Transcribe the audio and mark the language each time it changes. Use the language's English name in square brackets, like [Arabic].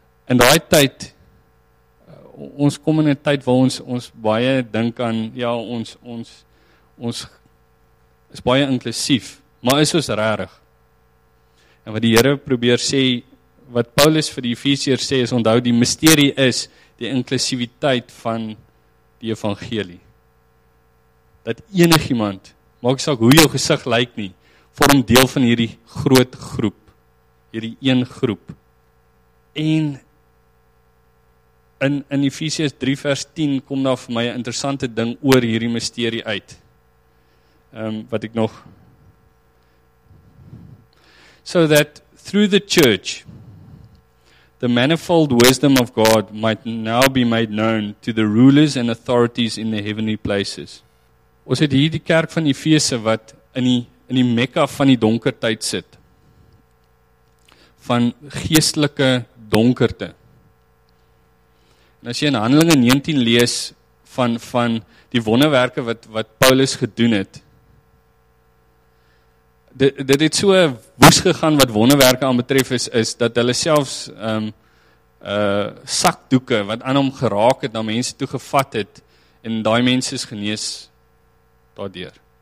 [Afrikaans] In die tyd, ons kom in die tyd waar ons baie dink aan, ja, ons is baie inklusief, maar is ons rarig. En wat die Here probeer sê, wat Paulus vir die Efesiërs sê, is onthou, die mysterie is die inklusiviteit van die evangelie. Dat enig iemand, maak saak hoe jou gesig lyk nie, vorm deel van hierdie groot groep, hierdie een groep. En in Efesiërs 3 vers 10 kom daar vir my 'n interessante ding oor hierdie mysterie uit. Wat ek nog... [English] So that through the church, the manifold wisdom of God might now be made known to the rulers and authorities in the heavenly places. [Afrikaans] Ons het hier die kerk van Efese wat in die Mekka van die donker tyd sit. Van geestelike donkerte. En as jy in Handelinge 19 lees van die wonderwerke wat Paulus gedoen het, dit het so woes gegaan wat wonderwerke aan betref is dat hulle selfs sakdoeke wat aan hom geraak het, na mense toe gevat het, en daai mense is genees daardeur.